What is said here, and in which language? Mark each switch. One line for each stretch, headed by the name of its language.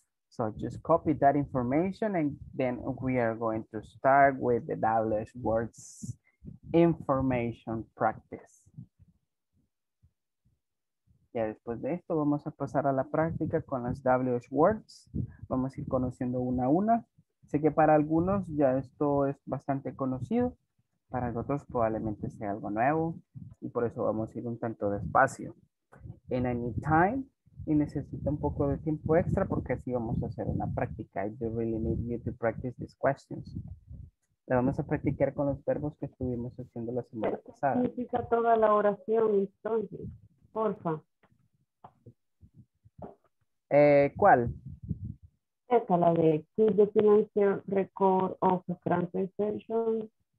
English: So just copy that information and then we are going to start with the WH words information practice.
Spanish: Ya después de esto vamos a pasar a la práctica con las WH words. Vamos a ir conociendo una a una. Sé que para algunos ya esto es bastante conocido. Para nosotros probablemente sea algo nuevo y por eso vamos a ir un tanto despacio. En any time, y necesita un poco de tiempo extra porque así vamos a hacer una práctica.
English: I do really need you to practice these questions.
Spanish: La vamos a practicar con los verbos que estuvimos haciendo la semana pasada. Significa toda la oración, entonces, porfa. ¿Cuál? Esta, la de keep the financial record of the transaction.